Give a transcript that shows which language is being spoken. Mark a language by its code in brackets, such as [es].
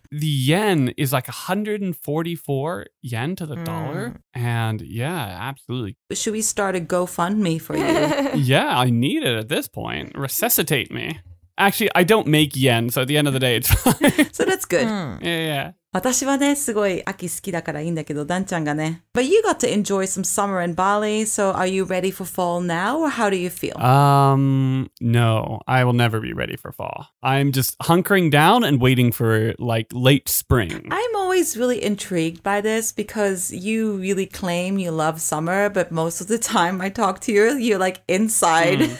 [en] The yen is like 144 yen to the dollar. And yeah, absolutely. Should we start a GoFundMe for you? Yeah, I need it at this point. Resuscitate me. Actually, I don't make yen, so at the end of the day, it's fine. So that's good. Yeah. [ja] 私はね、すごい秋好きだからいいんだけど、ダンちゃんがね。 [en] But you got to enjoy some summer in Bali, so are you ready for fall now, or how do you feel? No, I will never be ready for fall. I'm just hunkering down and waiting for, like, late spring. I'm always really intrigued by this, because you really claim you love summer, but most of the time I talk to you, you're like inside.